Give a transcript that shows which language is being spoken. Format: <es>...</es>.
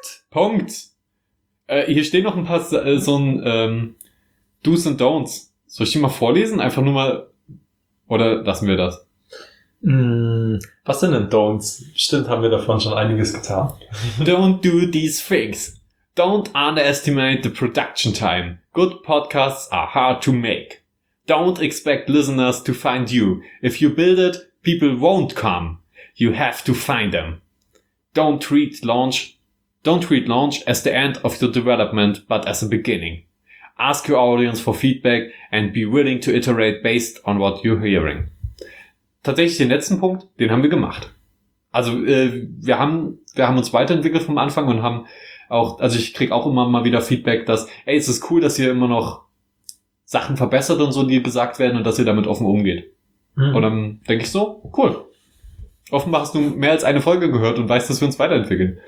<de>Punkt! Hier stehen noch ein paar Do's and Don'ts. Soll ich die mal vorlesen? Einfach nur mal... Oder lassen wir das? Was sind denn Don'ts? Stimmt, haben wir davon schon einiges getan.</de> <en>Don't do these things. Don't underestimate the production time. Good podcasts are hard to make. Don't expect listeners to find you. If you build it, people won't come. You have to find them. Don't treat launch as the end of your development, but as a beginning. Ask your audience for feedback and be willing to iterate based on what you're hearing.</en> <de>Tatsächlich den letzten Punkt, den haben wir gemacht. Also wir haben uns weiterentwickelt vom Anfang und haben auch, also ich kriege auch immer mal wieder Feedback, dass, ey, es ist cool, dass ihr immer noch Sachen verbessert und so, die gesagt werden und dass ihr damit offen umgeht. Mhm. Und dann denke ich so, cool. Offenbar hast du mehr als eine Folge gehört und weißt, dass wir uns weiterentwickeln.</de>